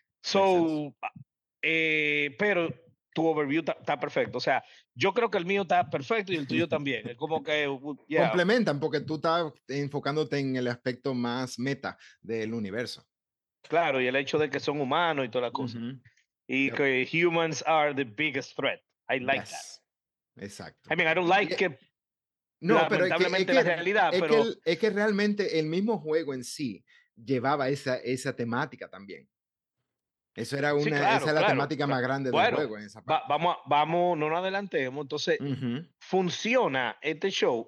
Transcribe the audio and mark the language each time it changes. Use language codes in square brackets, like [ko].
[es] So, pero tu overview está perfecto. O sea, yo creo que el mío está perfecto y el tuyo también. Es como que... [en] Yeah. [es] Complementan porque tú estás enfocándote en el aspecto más meta del universo. Claro, y el hecho de que son humanos y toda la cosa. Uh-huh. Y yep. Que [en] humans are the biggest threat. I like yes. That. [es] Exacto. [en] I mean, I don't like it. [es] No, lamentablemente, pero es que, la realidad. Es, pero... que el, es que realmente el mismo juego en sí llevaba esa temática también. Eso era una, sí, claro, esa era claro, la temática claro, más grande bueno, del juego en esa parte. Vamos, no nos adelantemos. Entonces, ¿funciona este show?